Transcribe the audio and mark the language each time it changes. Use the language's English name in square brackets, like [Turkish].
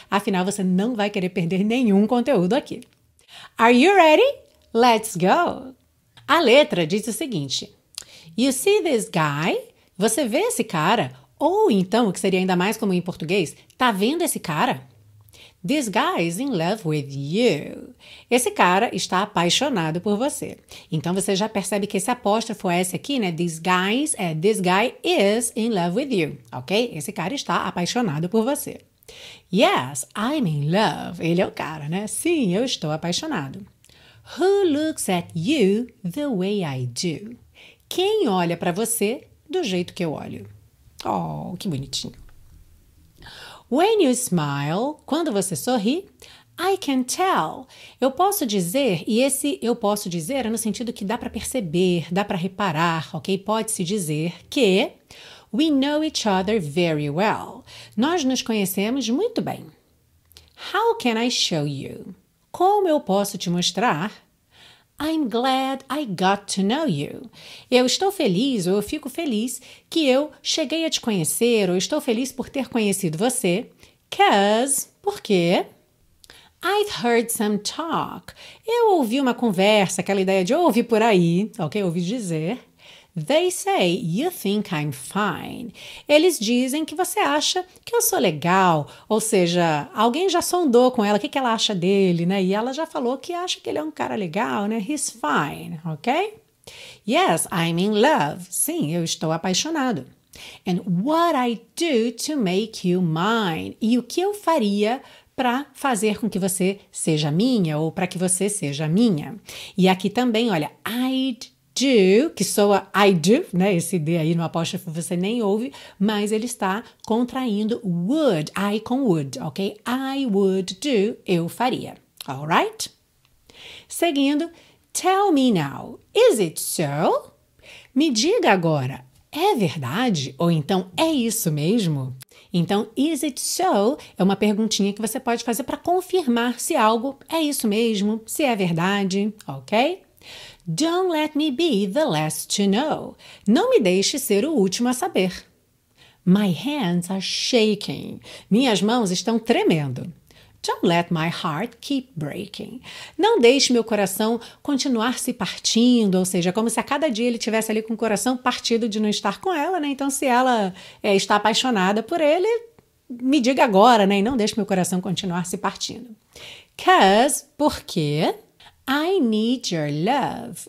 [Portuguese] Afinal, você não vai querer perder nenhum conteúdo aqui. [English] Are you ready? Let's go! [Portuguese] A letra diz o seguinte: [English] You see this guy? [Portuguese] Você vê esse cara? Ou então, o que seria ainda mais comum em português, tá vendo esse cara? [English] This guy is in love with you. [Portuguese] Esse cara está apaixonado por você. Então, você já percebe que esse apóstrofo S aqui, né? [English] This guy's, é this guy is in love with you, ok? [Portuguese] Esse cara está apaixonado por você. [English] Yes, I'm in love. [Portuguese] Ele é o cara, né? Sim, eu estou apaixonado. [English] Who looks at you the way I do? [Portuguese] Quem olha para você do jeito que eu olho? Oh, que bonitinho. [English] When you smile, [Portuguese] quando você sorri, [English] I can tell. [Portuguese] Eu posso dizer, e esse eu posso dizer é no sentido que dá para perceber, dá para reparar, ok? Pode-se dizer que [English] we know each other very well. [Portuguese] Nós nos conhecemos muito bem. [English] How can I show you? [Portuguese] Como eu posso te mostrar? [English] I'm glad I got to know you. [Portuguese] Eu estou feliz, ou eu fico feliz, que eu cheguei a te conhecer, ou estou feliz por ter conhecido você. [English] Cause, porque? I've heard some talk. [Portuguese] Eu ouvi uma conversa, aquela ideia de ouvir por aí, ok? Ouvi dizer. [English] They say you think I'm fine. [Portuguese] Eles dizem que você acha que eu sou legal. Ou seja, alguém já sondou com ela, o que ela acha dele, né? E ela já falou que acha que ele é um cara legal, né? He's fine, [English] ok? Yes, I'm in love. [Portuguese] Sim, eu estou apaixonado. [English] And what I do to make you mine. [Portuguese] E o que eu faria para fazer com que você seja minha ou para que você seja minha. E aqui também, olha, [English] I'd do, [Portuguese] que soa I do, né? Esse D aí no apóstrofo você nem ouve, mas ele está contraindo would, I com would, ok? [English] I would do, [Portuguese] eu faria, [English] alright? [Portuguese] Seguindo, [English] tell me now, is it so? [Portuguese] Me diga agora, é verdade? Ou então, é isso mesmo? [English] Então, is it so? [Portuguese] É uma perguntinha que você pode fazer para confirmar se algo é isso mesmo, se é verdade, ok? [English] Don't let me be the last to know. [Portuguese] Não me deixe ser o último a saber. [English] My hands are shaking. [Portuguese] Minhas mãos estão tremendo. [English] Don't let my heart keep breaking. [Portuguese] Não deixe meu coração continuar se partindo, ou seja, como se a cada dia ele estivesse ali com o coração partido de não estar com ela, né? Então, se ela está apaixonada por ele, me diga agora, né? E não deixe meu coração continuar se partindo. [English] Cause, porque I need your love.